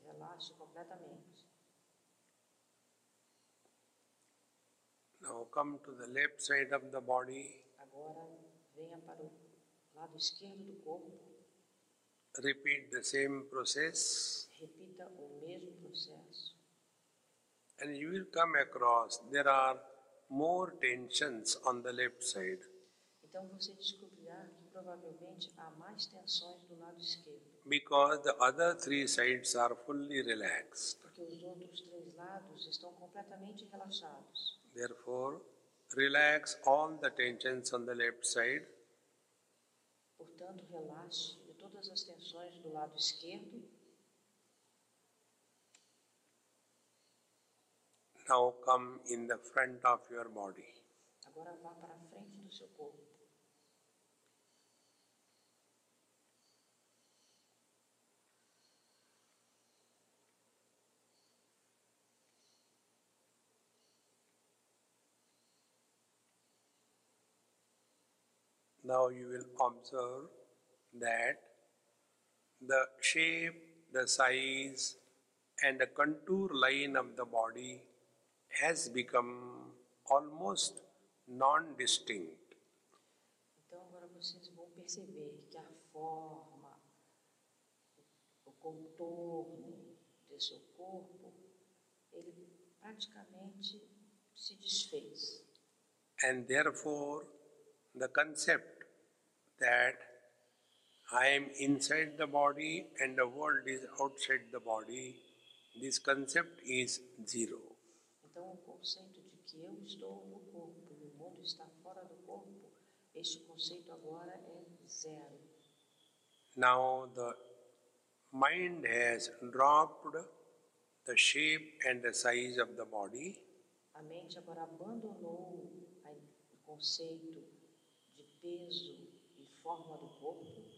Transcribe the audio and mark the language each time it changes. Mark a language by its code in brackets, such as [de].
[pt] Relaxe completamente. [en] Now come to the left side of the body. [pt] Agora venha para o lado esquerdo do corpo. [en] Repeat the same process. [pt] Repita o mesmo processo. [en] And you will come across there are more tensions on the left side. [pt] Então você descobrirá que provavelmente há mais tensões do lado esquerdo. [en] Because the other three sides are fully relaxed. [pt] Porque os outros três lados estão completamente relaxados. [en] Therefore, relax all the tensions on the left side. [pt] Portanto, relaxe todas as tensões do lado esquerdo. [en] Now come in the front of your body. [pt] Agora vá para a frente do seu corpo. [en] Now you will observe that the shape, the size, and the contour line of the body has become almost non-distinct. [pt] Então agora vocês vão perceber que a forma, o contorno do seu corpo, ele praticamente se desfez. [en] And therefore, the concept that I am inside the body and the world is outside the body, this concept is zero. [pt] Então, o conceito de que eu estou no corpo e o mundo está fora do corpo, este conceito agora é zero. [en] Now, the mind has dropped the shape and the size of the body. [pt] A mente agora abandonou o conceito de peso e forma do corpo.